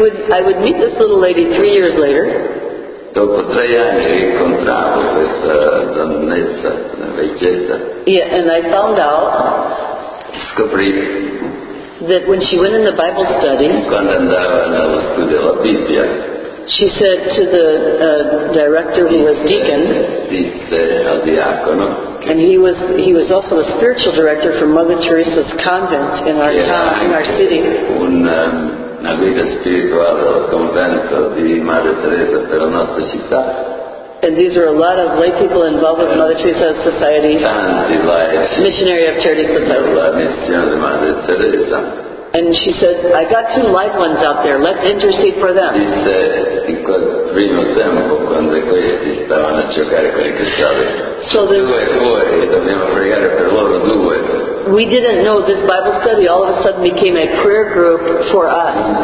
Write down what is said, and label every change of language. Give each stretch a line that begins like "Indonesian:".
English: I would meet this little lady 3 years later.
Italian: Dopo tre anni incontravo questa donnetta, una vecchietta.
English: Yeah, and I found out.
Italian: Scoprì.
English: That when she went in the Bible study.
Italian: Quando andava nello studio della Bibbia.
English: She said to the director who was deacon.
Italian: Disse al diacono.
English: And he was also the spiritual director for Mother Teresa's convent in our town, in our city.
Italian: Una guida spirituale al convento di Madre Teresa per la nostra città.
English: And these were a lot of lay people involved with Mother Teresa's society.
Italian: Tanti laici.
English: Missionary of Charity Society.
Italian: La missione di Madre Teresa.
English: And she said, I got two light ones out there, let's intercede for them.
Italian: Disse, in quel primo tempo, quando questi stavano a giocare con i cristalli, so due fuori, dobbiamo pregare per loro due.
English: We didn't know this Bible study all of a sudden became a prayer group for us.